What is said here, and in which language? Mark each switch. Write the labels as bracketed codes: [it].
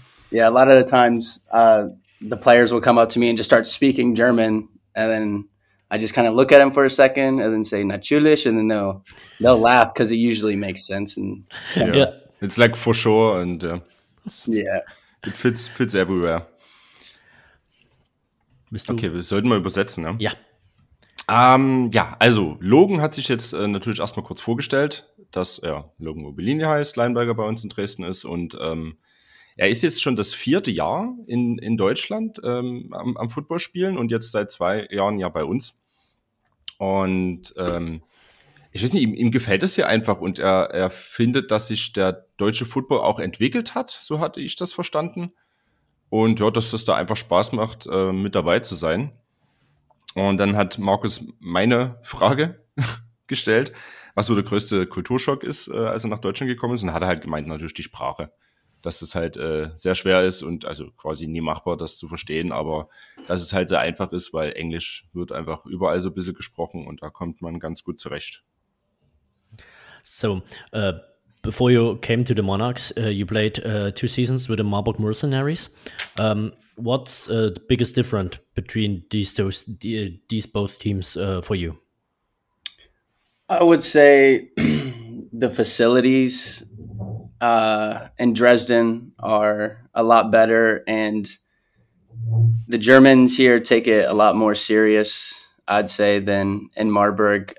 [en] Yeah, a lot of the times the players will come up to me and just start speaking German, and then I just kind of look at them for a second and then say natürlich, and then they'll laugh because it usually makes sense. And yeah. It's like for sure, and yeah, it fits everywhere. [de] Okay, wir sollten mal übersetzen, ne? Ja. Ja, also Logan hat sich jetzt natürlich erstmal kurz vorgestellt, dass er Logan Obelini heißt, Linebacker bei uns in Dresden ist und er ist jetzt schon das vierte Jahr in Deutschland am Football spielen und jetzt seit 2 Jahren ja bei uns. Und ich weiß nicht, ihm gefällt es hier einfach und er findet, dass sich der deutsche Football auch entwickelt hat, so hatte ich das verstanden. Und ja, dass das da einfach Spaß macht, mit dabei zu sein. Und dann hat Markus meine Frage gestellt, was so der größte Kulturschock ist, als er nach Deutschland gekommen ist. Und hat er halt gemeint, natürlich die Sprache. Dass es halt sehr schwer ist und also quasi nie machbar, das zu verstehen. Aber dass es halt sehr einfach ist, weil Englisch wird einfach überall so ein bisschen gesprochen und da kommt man ganz gut zurecht. [en] So, before you came to the Monarchs, you played 2 seasons with the Marburg Mercenaries. What's the biggest difference between these both teams for you? I would say the facilities in Dresden are a lot better, and the Germans here take it a lot more serious, I'd say, than in Marburg.